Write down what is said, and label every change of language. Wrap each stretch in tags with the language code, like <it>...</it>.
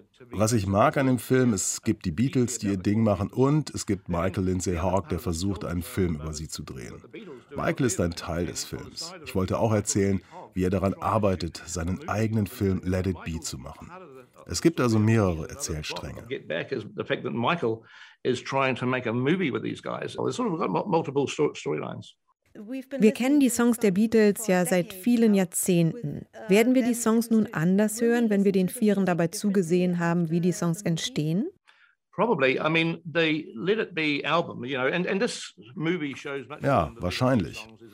<de>Was ich mag an dem Film, es gibt die Beatles, die ihr Ding machen, und es gibt Michael Lindsay Hogg, der versucht, einen Film über sie zu drehen. Michael ist ein Teil des Films. Ich wollte auch erzählen, wie er daran arbeitet, seinen eigenen Film Let It Be zu machen. Es gibt also mehrere Erzählstränge.</de> <en>Michael is trying to make a movie with these guys. It's sort of got multiple storylines.</en> <de>Wir kennen die Songs der Beatles ja seit vielen Jahrzehnten. Werden wir die Songs nun anders hören, wenn wir den Vieren dabei zugesehen haben, wie die Songs entstehen? Ja, wahrscheinlich.</de>